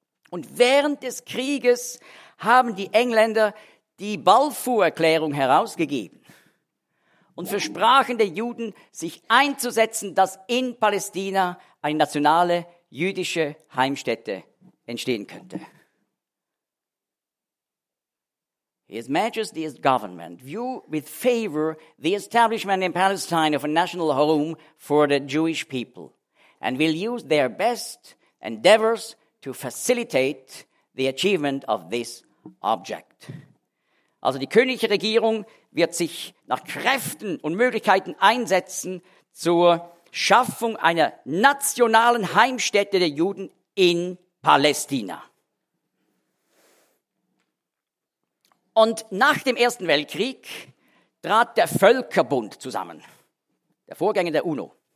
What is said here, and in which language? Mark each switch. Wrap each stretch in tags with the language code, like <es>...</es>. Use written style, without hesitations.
<de>Und während des Krieges haben die Engländer die Balfour-Erklärung herausgegeben und versprachen den Juden, sich einzusetzen, dass in Palästina eine nationale jüdische Heimstätte entstehen könnte.</de> <en>His Majesty's government view with favor the establishment in Palestine of a national home for the Jewish people and will use their best endeavors to facilitate the achievement of this object.</en> <de>Also die königliche Regierung wird sich nach Kräften und Möglichkeiten einsetzen zur Schaffung einer nationalen Heimstätte der Juden in Palästina. Und nach dem Ersten Weltkrieg trat der Völkerbund zusammen, der Vorgänger der UNO.</de>